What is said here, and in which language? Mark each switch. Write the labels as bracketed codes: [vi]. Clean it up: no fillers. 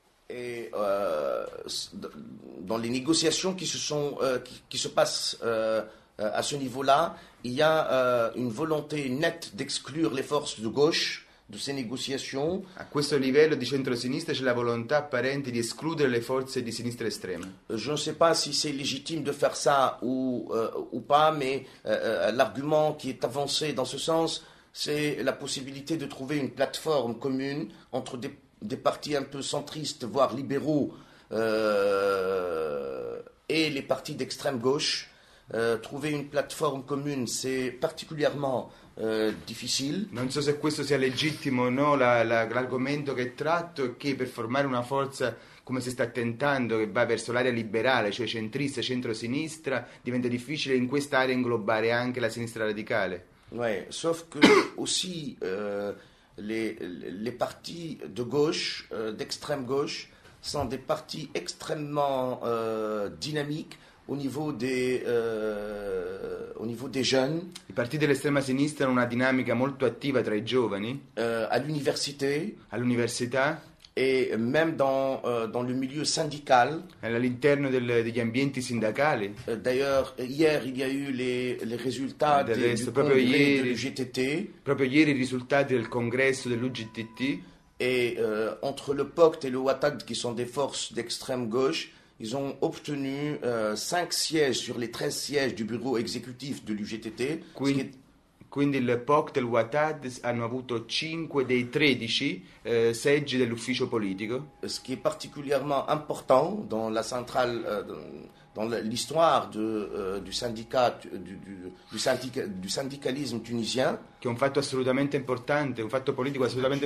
[fr] Et dans les négociations qui se passent à ce niveau-là, il y a une volonté nette d'exclure les forces de gauche de ces négociations. [it] À questo livello di centro-sinistra, c'è la volontà apparente di escludere le forze di sinistra estrema. [fr] Je ne sais pas si c'est légitime de faire ça ou pas, mais l'argument qui est avancé dans ce sens, c'est la possibilité de trouver une plateforme commune entre des partis un peu centristes, voire libéraux, et les partis d'extrême gauche. Trouver une plateforme commune, c'est particulièrement difficile. [it] Non so se questo sia legittimo o no, l'argomento che tratto è che per formare una forza come si sta tentando, che va verso l'area liberale, cioè centrista, centro-sinistra, diventa difficile in quest'area inglobare anche la sinistra radicale. [fr] Ouais, sauf que aussi. Les partis de gauche, d'extrême gauche, sont des partis extrêmement dynamiques, au niveau des jeunes. [it] I partiti dell'estrema sinistra hanno una dinamica molto attiva tra i giovani. All'università. All'università. [fr] Et même dans, dans le milieu syndical. [it] All'interno degli ambienti sindacali. [fr] D'ailleurs, hier, il y a eu les résultats [it] proprio ieri i risultati del congresso dell'UGTT. [fr] Et entre le POCT et le WATAD, qui sont des forces d'extrême gauche, ils ont obtenu 5 sièges sur les 13 sièges du bureau exécutif de l'UGTT. [it] Quindi il POCT e il WATAD hanno avuto 5 dei 13 seggi dell'ufficio politico. [fr] Ce qui est particulièrement important dans la centrale, dans l'histoire de, du syndicat, du syndicalisme tunisien. [it] Che è un fatto assolutamente importante, un fatto politico assolutamente...